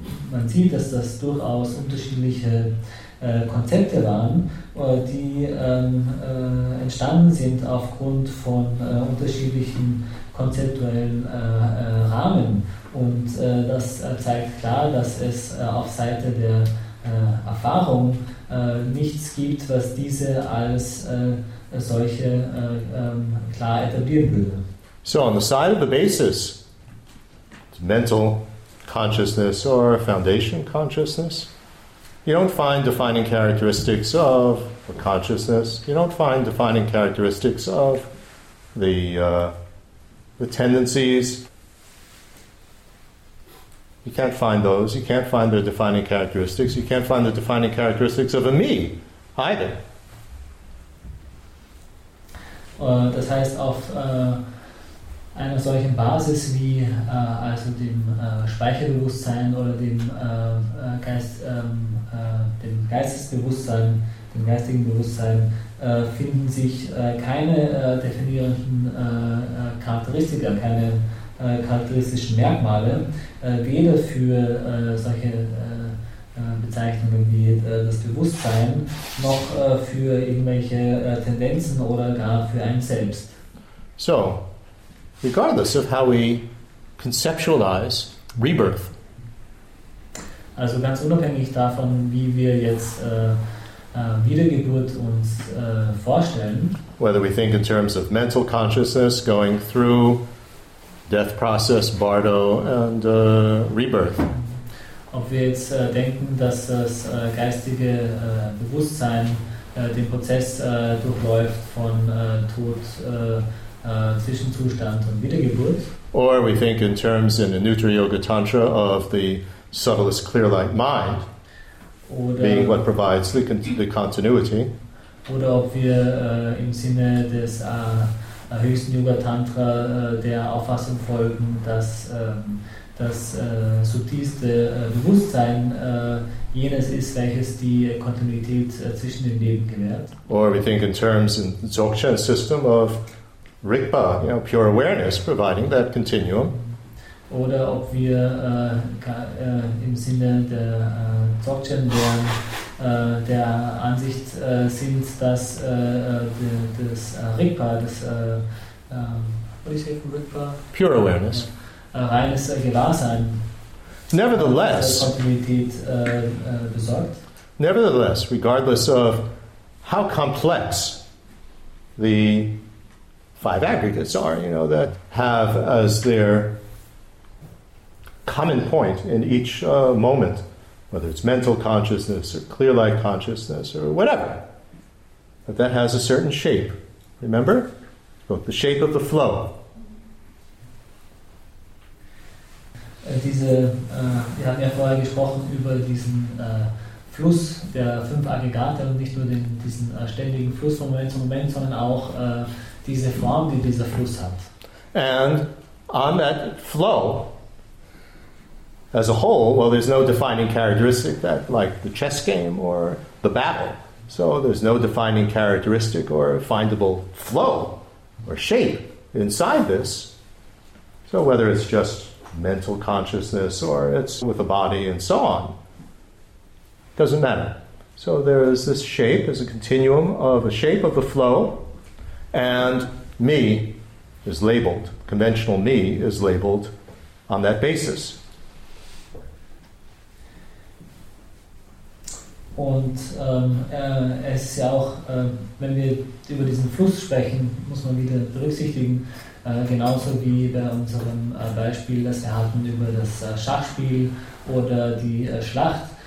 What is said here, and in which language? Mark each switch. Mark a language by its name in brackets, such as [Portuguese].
[German] Man sieht, dass das durchaus unterschiedliche Konzepte waren, die entstanden sind aufgrund von unterschiedlichen konzeptuellen Rahmen. Und das zeigt klar, dass es auf Seite der Erfahrung nichts gibt, was diese als solche klar etablieren würde. [English] So, on the side of the basis, mental consciousness or foundation consciousness, you don't find defining characteristics of consciousness. You don't find defining characteristics of the tendencies. You can't find those. You can't find their defining characteristics. You can't find the defining characteristics of a me either. [German] Das heißt, auf einer solchen Basis wie also dem Speicherbewusstsein oder dem dem Geistesbewusstsein, dem geistigen Bewusstsein, finden sich keine definierenden Charakteristika, keine charakteristischen Merkmale, weder für solche Bezeichnungen wie das Bewusstsein, noch für irgendwelche Tendenzen oder gar für ein Selbst. [English] So, regardless of how we conceptualize rebirth. [German] Also ganz unabhängig davon, wie wir jetzt Wiedergeburt uns vorstellen. [English] Whether we think in terms of mental consciousness going through death process, bardo, and rebirth. [German] Ob wir jetzt denken, dass das geistige Bewusstsein den Prozess durchläuft von Tod, Zwischenzustand und Wiedergeburt. [English] Or we think in terms in the Nutra Yoga Tantra of the subtlest clear light mind, [German] oder [English] being what provides the continuity. [German] Oder ob wir im Sinne des höchsten Yoga Tantra der Auffassung folgen, dass das subtilste Bewusstsein jenes ist, welches die Kontinuität zwischen den Leben gewährt. [English] Or we think in terms in the Dzogchen system of Rigpa, you know, pure awareness providing that continuum. [German] Oder ob wir im Sinne der Dzogchen Lehren der Ansicht sind, dass das Rigpa, das Rigpa? [English] Pure awareness. [German] Reines Gewahrsein. [English] Nevertheless, [German] Kontinuität besorgt. [English] Nevertheless, regardless of how complex the five aggregates are, you know, that have as their common point in each moment, whether it's mental consciousness or clear light consciousness or whatever, but that has a certain shape. Remember? The shape of the flow. [German] Diese, wir hatten ja vorher gesprochen über diesen Fluss der fünf Aggregate und nicht nur diesen ständigen Fluss von Moment zu Moment, sondern auch diese Form, die dieser Fluss hat. [English] And on that flow as a whole, well, there's no defining characteristic that, like the chess game or the battle. So there's no defining characteristic or findable flow or shape inside this. So whether it's just mental consciousness or it's with a body and so on, doesn't matter. So there is this shape, there's a continuum of a shape of the flow, and me is labeled, conventional me is labeled on that basis. [German] Und es ist ja auch, wenn wir über diesen Fluss sprechen, muss man wieder berücksichtigen, genauso wie bei unserem Beispiel, das wir hatten über das Schachspiel oder die Schlacht.